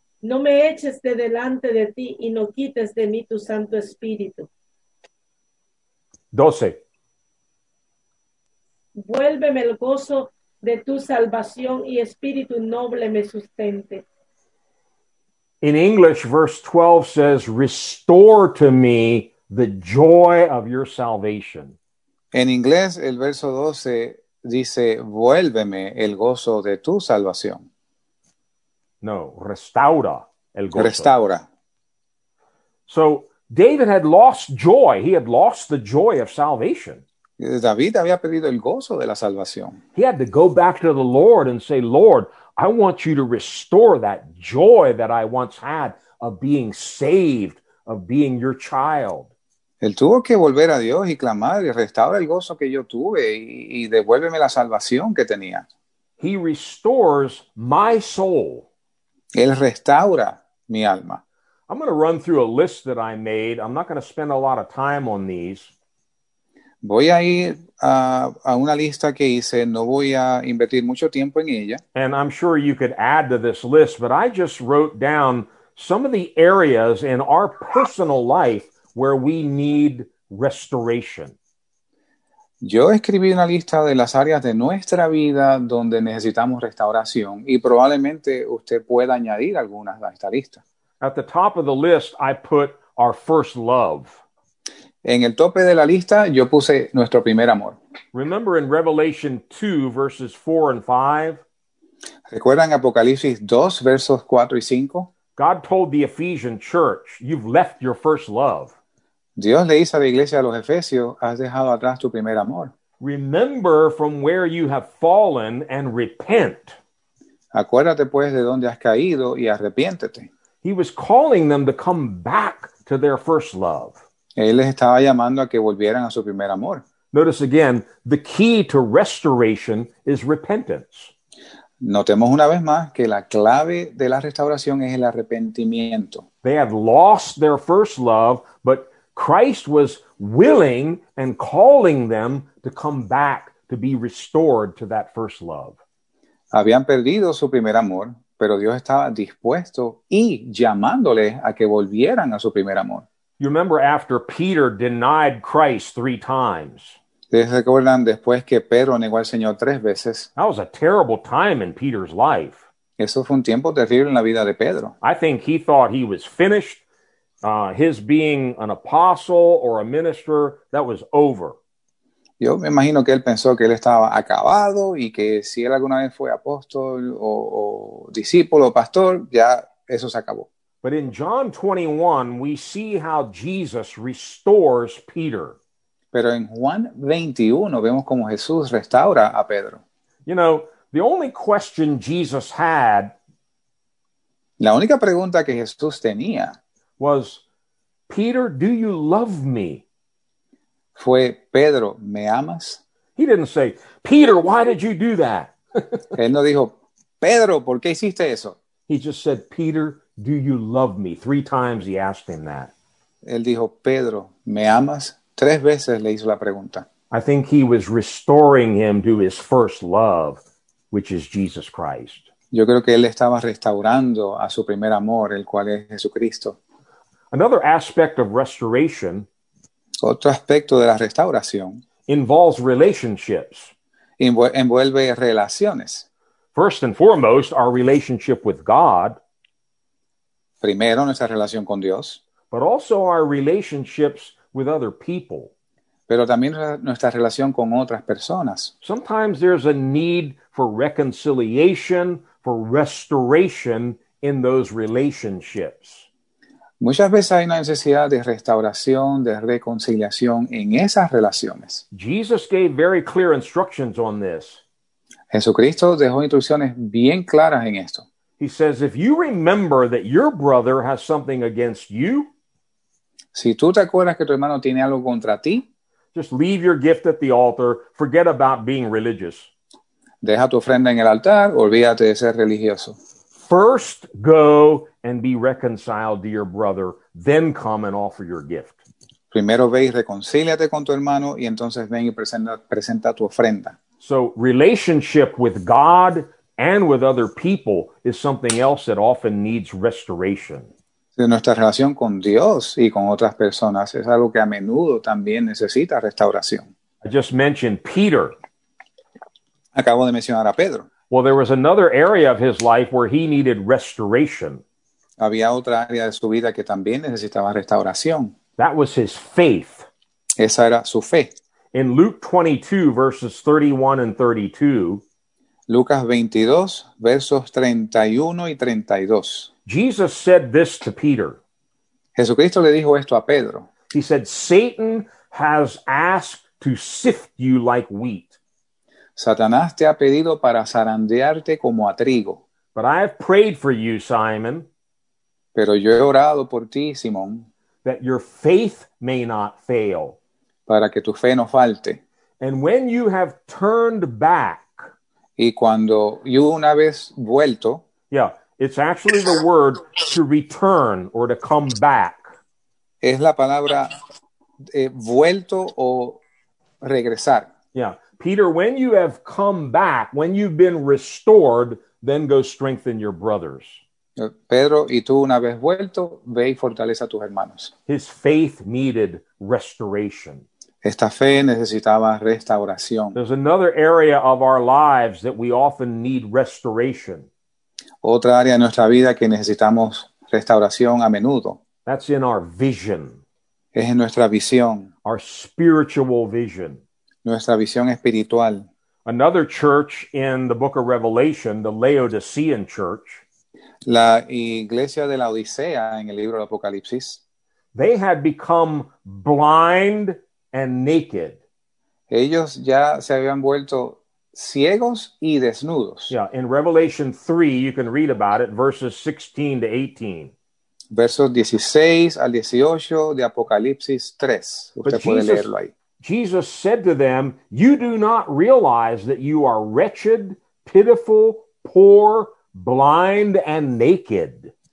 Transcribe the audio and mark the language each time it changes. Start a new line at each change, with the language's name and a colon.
Spanish: No me eches de delante de ti y no quites de mí tu Santo Espíritu. 12. Vuélveme el gozo de tu salvación y espíritu noble me sustente.
English: In English, verse 12 says, restore to me the joy of your salvation.
Spanish: En inglés, el verso 12 dice, vuélveme el gozo de tu salvación. No, restaura el gozo. Restaura.
English: So, David had lost joy. He had lost the joy of salvation.
Spanish: David había perdido el gozo de la salvación.
English: He had to go back to the Lord and say, Lord, I want you to restore that joy that I once had of being saved, of being your child.
Spanish: Él tuvo que volver a Dios y clamar, restaura el gozo que yo tuve y devuélveme la salvación que tenía.
English: He restores my soul.
Spanish: Él restaura mi alma.
English: I'm going to run through a list that I made. I'm not going to spend a lot of time on these.
Spanish: Voy a ir a una lista que hice. No voy a invertir mucho tiempo en ella.
English: And I'm sure you could add to this list, but I just wrote down some of the areas in our personal life where we need restoration.
Spanish: Yo escribí una lista de las áreas de nuestra vida donde necesitamos restauración, y probablemente usted pueda añadir algunas a esta lista.
English: At the top of the list, I put our first love.
Spanish: En el tope de la lista, yo puse nuestro primer amor.
English: Remember in Revelation 2, verses 4 and 5?
Spanish: ¿Recuerdan Apocalipsis 2, versos 4 y 5?
English: God told the Ephesian church, you've left your first love.
Spanish: Dios le dice a la iglesia de los Efesios, has dejado atrás tu primer amor.
English: Remember from where you have fallen and repent.
Spanish: Acuérdate pues de dónde has caído y arrepiéntete.
English: He was calling them to come back to their first love.
Spanish: Él les estaba llamando a que volvieran a su primer amor.
English: Notice again, the key to restoration is repentance.
Spanish: Notemos una vez más que la clave de la restauración es el arrepentimiento.
English: They had lost their first love, but Christ was willing and calling them to come back to be restored to that first love.
Spanish: Habían perdido su primer amor, pero Dios estaba dispuesto y llamándoles a que volvieran a su primer amor.
English: You remember after Peter denied Christ 3 times.
Spanish: ¿Se acuerdan después que Pedro negó al Señor 3 veces?
English: That was a terrible time in Peter's life.
Spanish: Eso fue un tiempo terrible en la vida de Pedro.
English: I think he thought he was finished. His being an apostle or a minister, that was over.
Spanish: Yo me imagino que él pensó que él estaba acabado y que si él alguna vez fue apóstol o discípulo o pastor, ya eso se acabó.
English: But in John 21, we see how Jesus restores Peter.
Spanish: Pero en Juan 21 vemos cómo Jesús restaura a Pedro.
English: You know, the only question Jesus had
Spanish: La única pregunta que Jesús tenía
English: was, Peter, do you love me?
Spanish: Fue, Pedro, ¿me amas?
English: He didn't say, Peter, why did you do that?
Spanish: Él no dijo, Pedro, ¿por qué hiciste eso?
English: He just said, Peter, do you love me? Three times he asked him that.
Spanish: Él dijo, Pedro, ¿me amas? Tres veces le hizo la pregunta.
English: I think he was restoring him to his first love, which is Jesus Christ.
Spanish: Yo creo que él estaba restaurando a su primer amor, el cual es Jesucristo.
English: Another aspect of restoration,
Spanish: otro aspecto de la restauración,
English: involves relationships.
Spanish: Envuelve relaciones.
English: First and foremost, our relationship with God.
Spanish: Primero, nuestra relación con Dios.
English: But also our relationships with other people.
Spanish: Pero también nuestra relación con otras personas.
English: Sometimes there's a need for reconciliation, for restoration in those relationships.
Spanish: Muchas veces hay una necesidad de restauración, de reconciliación en esas relaciones.
English: Jesus gave very clear instructions on this.
Spanish: Jesucristo dejó instrucciones bien claras en esto.
English: He says, if you remember that your brother has something against you,
Spanish: si tú te acuerdas que tu hermano tiene algo contra ti,
English: just leave your gift at the altar, forget about being religious.
Spanish: Deja tu ofrenda en el altar, olvídate de ser religioso.
English: First go and be reconciled to your brother, then come and offer your gift.
Spanish: Primero ve y reconcíliate con tu hermano y entonces ven y presenta tu ofrenda.
English: So relationship with God and with other people is something else that often needs restoration.
Spanish: De nuestra relación con Dios y con otras personas es algo que a menudo también necesita restauración.
English: I just mentioned Peter.
Spanish: Acabo de mencionar a Pedro.
English: Well, there was another area of his life where he needed restoration.
Spanish: Había otra área de su vida que también necesitaba restauración.
English: That was his faith.
Spanish: Esa era su fe.
English: In Luke 22, verses 31 and 32.
Spanish: Lucas 22, versos 31 y 32.
English: Jesus said this to Peter.
Spanish: Jesucristo le dijo esto a Pedro.
English: He said, Satan has asked to sift you like wheat.
Spanish: Satanás te ha pedido para zarandearte como a trigo.
English: But I have prayed for you, Simon.
Spanish: Pero yo he orado por ti, Simón.
English: That your faith may not fail.
Spanish: Para que tu fe no falte.
English: And when you have turned back.
Spanish: Y cuando yo una vez vuelto.
English: Yeah, it's actually the word to return or to come back.
Spanish: Es la palabra vuelto o regresar.
English: Yeah. Peter, when you have come back, when you've been restored, then go strengthen your brothers.
Spanish: Pedro, y tú una vez vuelto, ve y fortalece a tus hermanos.
English: His faith needed restoration.
Spanish: Esta fe necesitaba restauración.
English: There's another area of our lives that we often need restoration.
Spanish: Otra área de nuestra vida que necesitamos restauración a menudo.
English: That's in our vision.
Spanish: Es en nuestra visión.
English: Our spiritual vision.
Spanish: Nuestra visión espiritual.
English: Another church in the book of Revelation, the Laodicean church.
Spanish: La iglesia de la Odisea en el libro del Apocalipsis.
English: They had become blind and naked.
Spanish: Ellos ya se habían vuelto ciegos y desnudos.
English: Yeah, in Revelation 3, you can read about it, verses 16 to 18.
Spanish: Versos 16 al 18 de Apocalipsis 3. Usted puede leerlo ahí.
English: Jesus said to them, you do not realize that you are wretched, pitiful, poor, blind, and naked.